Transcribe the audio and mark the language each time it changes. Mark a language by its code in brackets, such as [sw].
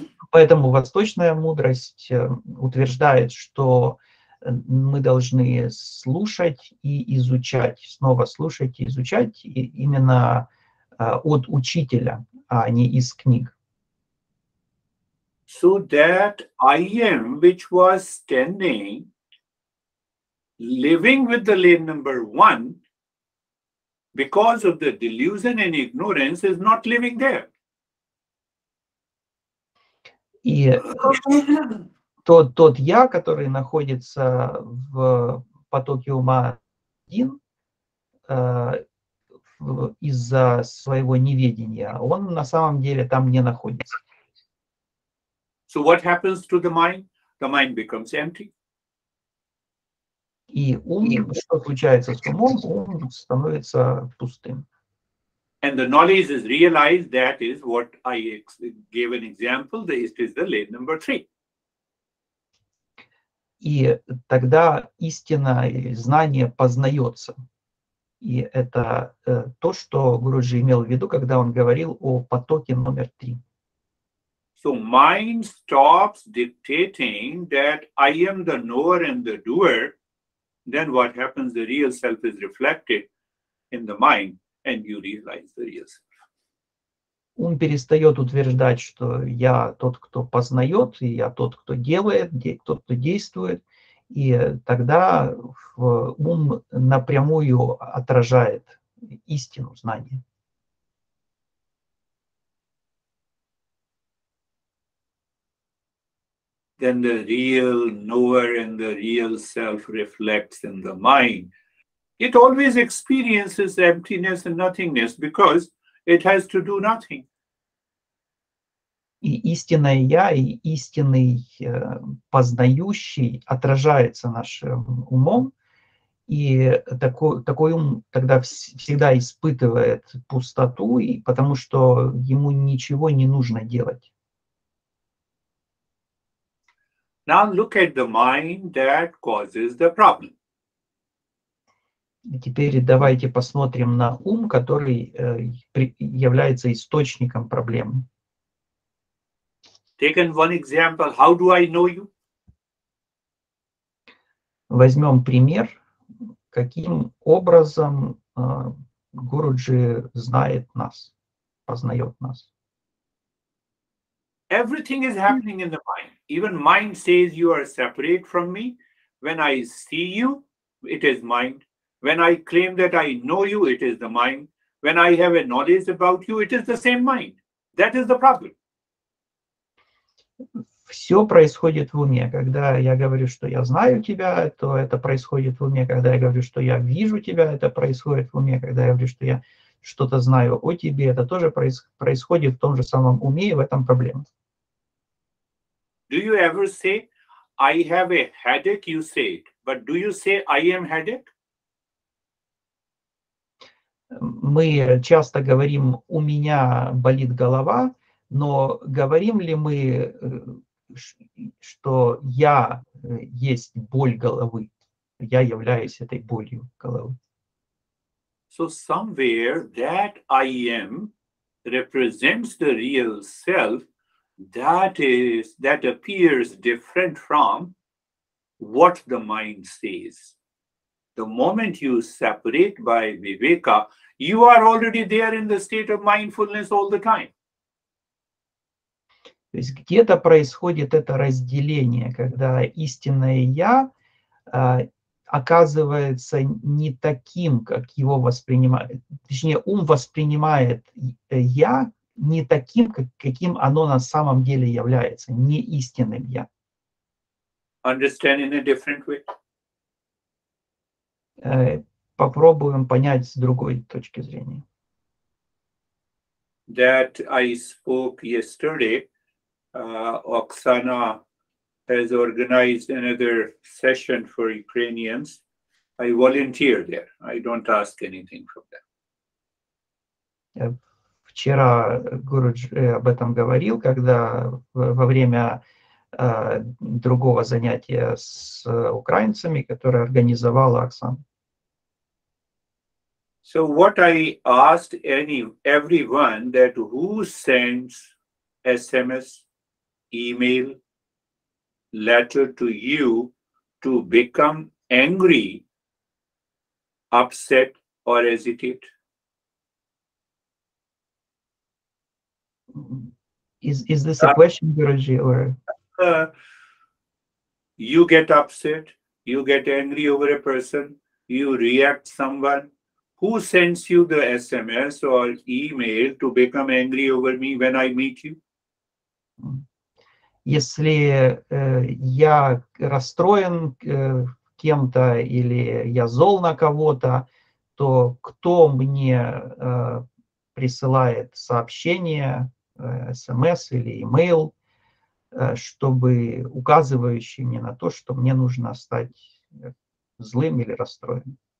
[ru] Поэтому восточная мудрость утверждает, что мы должны слушать и изучать, снова слушать и изучать именно от учителя, а не из книг. [en] So that I am, which was standing, living with the lane number one, because of the delusion and ignorance, is not living there. [ru] И тот я, который находится в потоке ума один, из-за своего неведения, он на самом деле там не находится. [en] So what happens to the mind? The mind becomes empty. [ru] И ум, что случается с умом, ум становится пустым. [en] And the knowledge is realized, that is what I gave an example, this is the lane number three. [ru] И тогда истина, знание познается. И это то, что Гуруджи имел в виду, когда он говорил о потоке номер три. [en] So mind stops dictating that I am the knower and the doer, then what happens, the real self is reflected in the mind. And you realize the real self. [ru] Ум перестает утверждать, что я тот, кто познает, и я тот, кто делает, тот, кто действует. И тогда ум напрямую отражает истину знания. [en] Then the real knower and the real self reflects in the mind. It always experiences emptiness and nothingness because it has to do nothing. [ru] И истинное я, и истинный познающий отражается нашим умом, и такой ум тогда всегда испытывает пустоту, и потому что ему ничего не нужно делать. [en] Now look at the mind that causes the problem. [ru] Теперь давайте посмотрим на ум, который является источником проблемы. [en] Take one example. How do I know you? [ru] Возьмем пример, каким образом Гуруджи знает нас, познает нас. [en] Everything is happening in the mind. Even mind says you are separate from me. When I see you, it is mind. When I claim that I know you, it is the mind. When I have a knowledge about you, it is the same mind. That is the problem. [ru] Все происходит в уме. Когда я говорю, что я знаю тебя, то это происходит в уме. Когда я говорю, что я вижу тебя, это происходит в уме. Когда я говорю, что я что-то знаю о тебе, это тоже происходит в том же самом уме, и в этом проблема. [en] Do you ever say, I have a headache, you say it. But do you say, I am headache? [ru] Мы часто говорим, у меня болит голова, но говорим ли мы, что я есть боль головы, я являюсь этой болью головы? [en] So somewhere that I am represents the real self that appears different from what the mind says. The moment you separate by Viveka, you are already there in the state of mindfulness all the time. [ru] То есть где-то происходит это разделение, когда истинное я оказывается не таким, как его воспринимает, точнее, ум воспринимает я не таким, каким оно на самом деле является, не истинным я. [en] Understand in a different way. [ru] Попробуем понять с другой точки зрения. [en] That I spoke yesterday, Oksana has organized another session for Ukrainians. I volunteer there. I don't ask anything from them. [ru] Вчера Гуруджи об этом говорил, когда во время другого занятия с украинцами, которое организовала Оксана. [en] So what I asked everyone that who sends SMS, email, letter to you to become angry, upset or agitated? Is this a question, Guruji, or? You get upset, you get angry over a person, you react someone. Who sends you the SMS or email to become angry over me when I meet you? [ru] Если я расстроен кем-то или я зол на кого-то, то кто мне присылает сообщение, SMS или email, чтобы указывающий мне на то, что мне нужно стать злым или расстроенным?